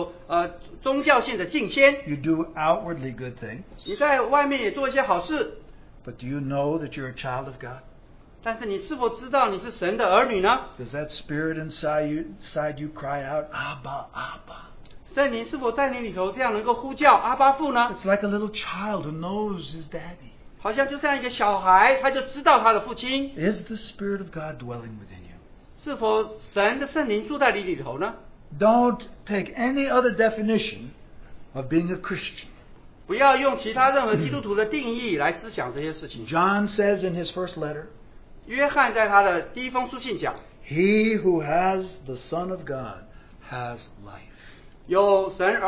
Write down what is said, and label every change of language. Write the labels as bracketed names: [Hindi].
[Chinese] 也许今天你住在这里，你是何等的有宗教性的敬虔。 [English] You do outwardly good things. [Chinese] 你在外面也做一些好事。 [English] But do you know that you're a child of God? [Chinese] 但是你是否知道你是神的儿女呢? [English] Does that spirit inside you cry out, Abba, Abba? [Chinese] 圣灵是否在你里头这样能够呼叫 Abba 父呢? [English] It's like a little child who knows his daddy. [Chinese] 好像就像一个小孩, 他就知道他的父亲。 [English] Is the Spirit of God dwelling within you? [Chinese] 是否神的圣灵住在你里头呢? [English] Don't take any other definition of being a Christian. [Chinese] 不要用其他任何基督徒的定义来思想这些事情。 [English] John says in his first letter, [Chinese] 约翰在他的第一封书信讲, [English] He who has the Son of God has life.